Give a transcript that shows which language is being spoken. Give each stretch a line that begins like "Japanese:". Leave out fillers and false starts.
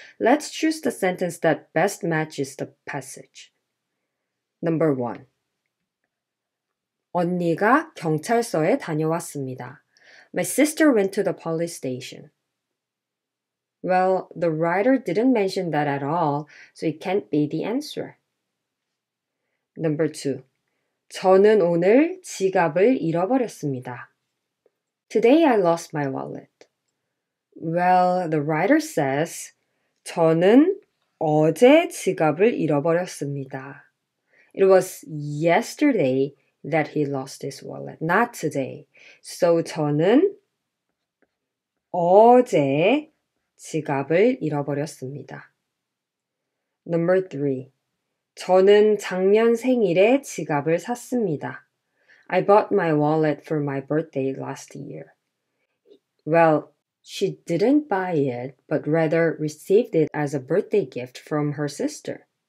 English: Let's choose the sentence that best matches the passage. Number 1.
Korean: 언니가 경찰서에 다녀왔습니다.
English: My sister went to the police station. Well, the writer didn't mention that at all, so it can't be the answer. Number 2.
Korean: 저는 오늘 지갑을 잃어버렸습니다.
English: Today I lost my wallet. Well, the writer says,
Korean: 저는 어제 지갑을 잃어버렸습니다.
English: It was yesterday that he lost his wallet, not today.
Korean: So 저는 어제 지갑을 잃어버렸습니다.
English: Number 3.
Korean: 저는 작년 생일에 지갑을 샀습니다.
English: I bought my wallet for my birthday last year. Well, she didn't buy it, but rather received it as a birthday gift from her sister.